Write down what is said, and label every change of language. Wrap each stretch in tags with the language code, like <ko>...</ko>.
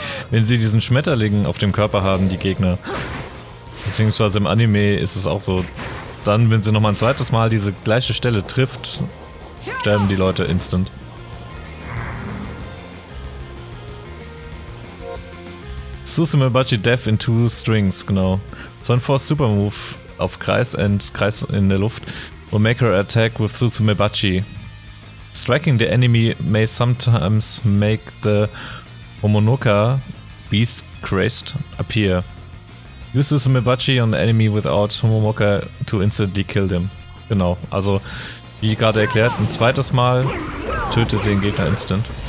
<de>Wenn sie diesen Schmetterling auf dem Körper haben, die Gegner, beziehungsweise im Anime ist es auch so, dann, wenn sie nochmal ein zweites Mal diese gleiche Stelle trifft, sterben die Leute instant. Susumebachi Death in Two Strings, genau. Zonforce Supermove auf Kreis und Kreis in der Luft</de> <en>will make her attack with Susumebachi. Striking the enemy may sometimes make the Omonoka Beast Crest appear. Use Susumebachi on the enemy without Omonoka to instantly kill them.</en> <de>Genau, also wie gerade erklärt, ein zweites Mal tötet den Gegner instant.</de>